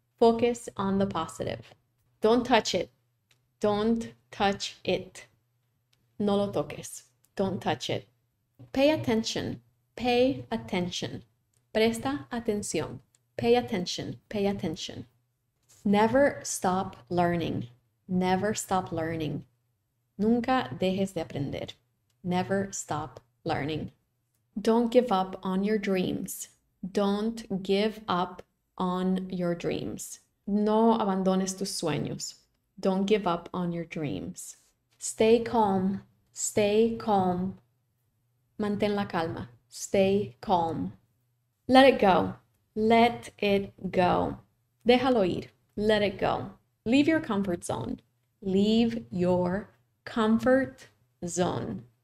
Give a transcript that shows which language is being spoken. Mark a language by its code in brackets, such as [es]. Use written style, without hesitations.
[en] Focus on the positive. Don't touch it. Don't touch it. [es] No lo toques. [en] Don't touch it. Pay attention. Pay attention. [es] Presta atención. [en] Pay attention. Pay attention. Never stop learning. Never stop learning. [es] Nunca dejes de aprender. [en] Never stop learning. Don't give up on your dreams. Don't give up on your dreams. [es] No abandones tus sueños. [en] Don't give up on your dreams. Stay calm. Stay calm. [es] Mantén la calma. [en] Stay calm. Let it go. Let it go. [es] Déjalo ir. [en] Let it go. Leave your comfort zone. Leave your comfort zone.